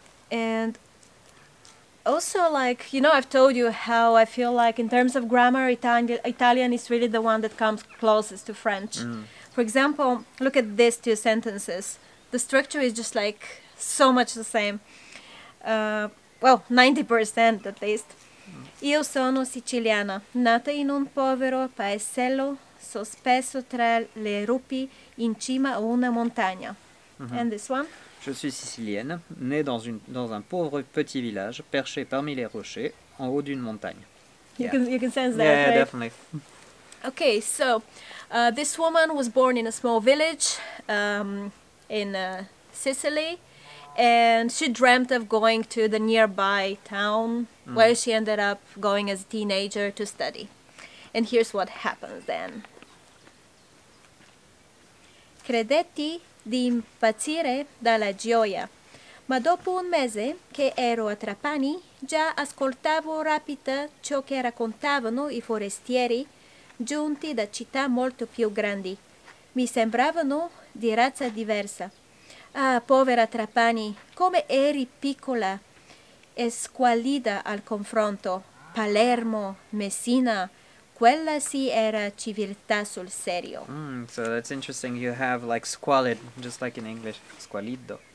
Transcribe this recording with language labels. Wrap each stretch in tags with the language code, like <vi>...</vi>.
<en>And also, like, you know, I've told you how I feel like in terms of grammar, Italian is really the one that comes closest to French. For example, look at these two sentences. The structure is just like so much the same. 90% at least.</en> <it>Io sono siciliana, nata in un povero paesello sospeso tra le rupi in cima a una montagna.</it> <en>And this one?</en> <fr>Je suis sicilienne, née dans un pauvre petit village perché parmi les rochers en haut d'une montagne.</fr> <en>You can sense that. Yeah, right? Definitely. Okay, so this woman was born in a small village in Sicily, and she dreamt of going to the nearby town where she ended up going as a teenager to study. And here's what happens then.</en> <it>Credetti di impazzire dalla gioia, ma dopo un mese che ero a Trapani già ascoltavo rapita ciò che raccontavano i forestieri giunti da città molto più grandi. Mi sembravano di razza diversa. Ah, povera Trapani, come eri piccola e squallida al confronto. Palermo, Messina, quella sì era civiltà sul serio.</it> <en>So that's interesting. You have like squalid, just like in English, squalido.</en>